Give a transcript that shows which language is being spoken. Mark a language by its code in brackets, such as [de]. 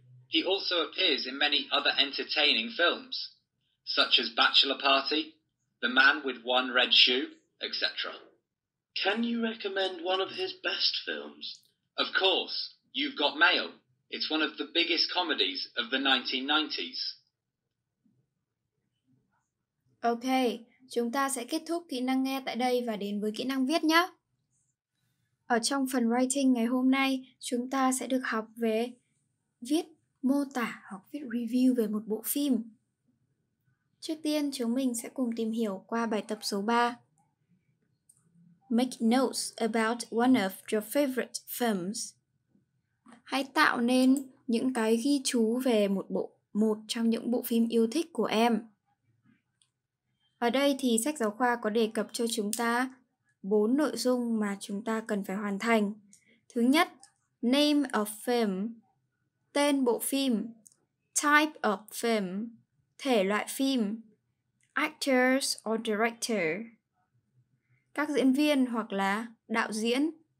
[en] He also appears in many other entertaining films, such as Bachelor Party, The Man with One Red Shoe, etc. Can you recommend one of his best films? Of course, You've Got Mail. It's one of the biggest comedies of the 1990s. [vi] Ok, chúng ta sẽ kết thúc kỹ năng nghe tại đây và đến với kỹ năng viết nhé. Ở trong phần writing ngày hôm nay, chúng ta sẽ được học về viết mô tả hoặc viết review về một bộ phim. Trước tiên, chúng mình sẽ cùng tìm hiểu qua bài tập số 3. [en] Make notes about one of your favorite films. [vi] Hãy tạo nên những cái ghi chú về một trong những bộ phim yêu thích của em. Ở đây thì sách giáo khoa có đề cập cho chúng ta 4 nội dung mà chúng ta cần phải hoàn thành. Thứ nhất, [en] name of film, [vi] tên bộ phim, [en] type of film, [vi] thể loại phim, [en] actors or director, [vi] các diễn viên hoặc là đạo diễn.